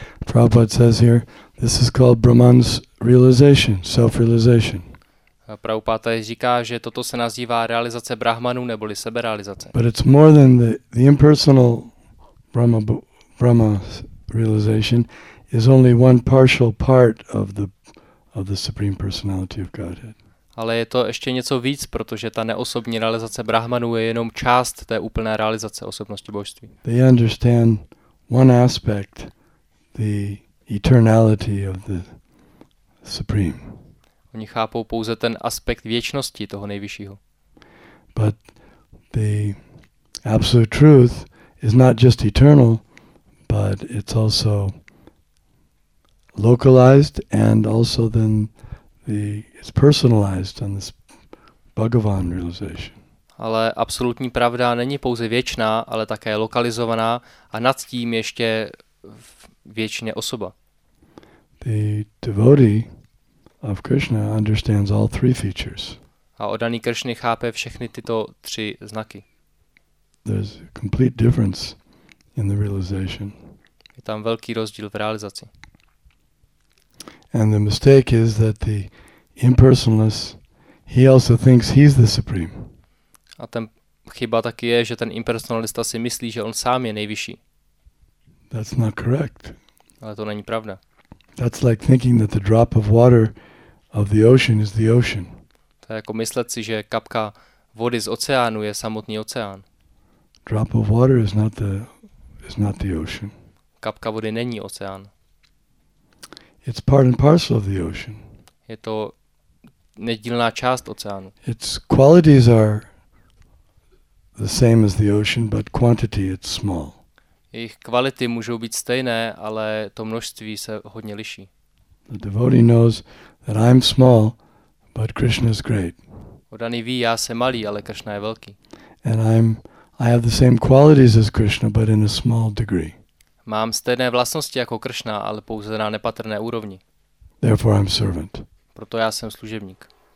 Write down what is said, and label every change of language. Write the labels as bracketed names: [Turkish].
[English] Prabhupada says here, this is called Brahman's realization, self-realization. [Czech] Prabhupada tady říká, že toto se nazývá realizace Brahmanu neboli seberealizace. [English] But it's more than the impersonal Brahma realization is only one partial part of the Supreme Personality of Godhead. [Czech] Ale je to ještě něco víc, protože ta neosobní realizace Brahmanu je jenom část té úplné realizace osobnosti božství. [English] They understand one aspect, the eternality of the Supreme. [Czech] Oni chápou pouze ten aspekt věčnosti toho nejvyššího. [English] But the absolute truth is not just eternal, but it's also localized and also then it's personalized on this Bhagavan realization. [Czech] Ale absolutní pravda není pouze věčná, ale také lokalizovaná a nad tím ještě věčně osoba. [English] The devotee of Krishna understands all three features. [Czech] A oddaný Kršny chápe všechny tyto tři znaky. [English] There's a complete difference in the realization. [Czech] Je tam velký rozdíl v realizaci. [English] And the mistake is that the impersonalist, he also thinks he's the supreme. [Czech] A ten chyba taky je, že ten impersonalista si myslí, že on sám je nejvyšší. [English] That's not correct. [Czech] Ale to není pravda. [English] That's like thinking that the drop of water of the ocean is the ocean. [Czech] To je jako myslet si, že kapka vody z oceánu je samotný oceán. [English] Drop of water is not the ocean. [Czech] Kapka vody není oceán. [English] It's part and parcel of the ocean. [Czech] Je to nedílná část oceánu. [English] Its qualities are the same as the ocean, but quantity it's small. [Czech] Jejich kvality můžou být stejné, ale to množství se hodně liší. [English] The devotee knows that I'm small, but Krishna is great. [Czech] Odaný ví, já jsem malý, ale Krishna je velký. [English] And I have the same qualities as Krishna, but in a small degree. [Czech] Mám stejné vlastnosti jako Kršna, ale pouze na nepatrné úrovni. [English] Therefore I'm servant. [Czech] Proto já jsem služebník.